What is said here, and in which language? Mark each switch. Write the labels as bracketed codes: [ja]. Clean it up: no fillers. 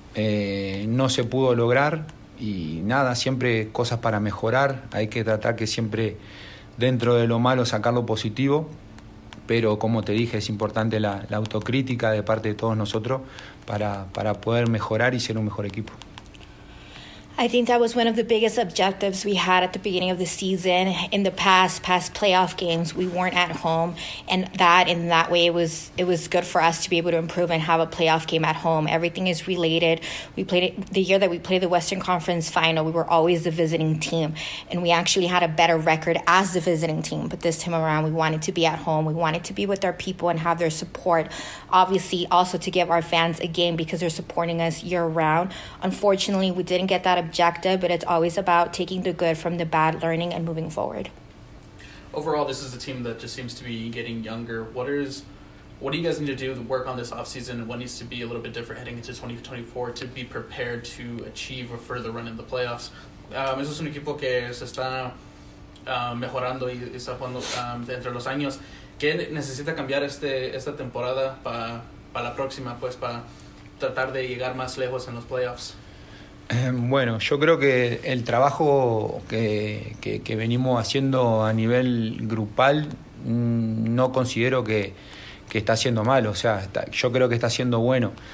[es] No se pudo lograr y nada, siempre cosas para mejorar, hay que tratar que siempre dentro de lo malo sacar lo positivo, pero como te dije es importante la autocrítica de parte de todos nosotros para poder mejorar y ser un mejor equipo. [en] I think that was one of the biggest objectives we had at the beginning of the season. In the past playoff games, we weren't at home, and that in that way it was good for us to be able to improve and have a playoff game at home. Everything is related. We played it, the year that we played the Western Conference final, we were always the visiting team, and we actually had a better record as the visiting team. But this time around, we wanted to be at home. We wanted to be with our people and have their support. Obviously, also to give our fans a game because they're supporting us year round. Unfortunately, we didn't get that objective, but it's always about taking the good from the bad, learning, and moving forward. Overall, this is a team that just seems to be getting younger. What do you guys need to do to work on this offseason, and what needs to be a little bit different heading into 2024 to be prepared to achieve a further run in the playoffs? [es] Es un equipo que se está mejorando y está jugando entre los años. ¿Qué necesita cambiar esta temporada para la próxima, pues, para tratar de llegar más lejos en los playoffs? Bueno, yo creo que el trabajo que venimos haciendo a nivel grupal no considero que está siendo malo, o sea, yo creo que está siendo bueno.